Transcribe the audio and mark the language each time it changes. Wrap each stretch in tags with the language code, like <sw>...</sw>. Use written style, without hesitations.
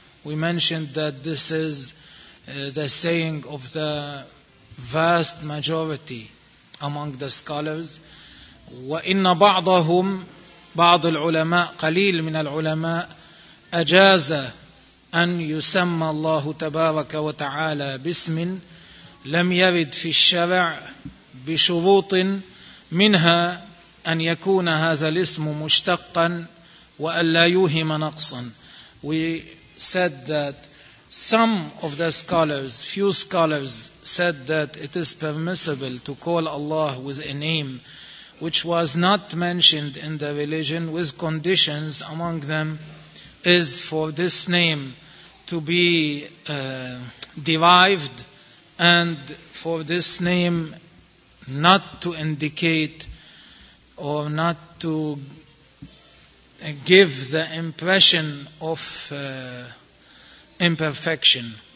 <en>We mentioned that this is the saying of the vast majority among the scholars.</en> <ar>وإن بعضهم بعض العلماء قليل من العلماء أجاز أن يسمى الله تبارك وتعالى باسم لم يرد في الشرع بشروط منها أن يكون هذا الاسم مشتقا وأن لا يوهم نقصا.</ar> <en>We said that some of the scholars, few scholars, said that it is permissible to call Allah with a name which was not mentioned in the religion with conditions. Among them is for this name to be derived and for this name not to indicate or not to give the impression of imperfection.</en>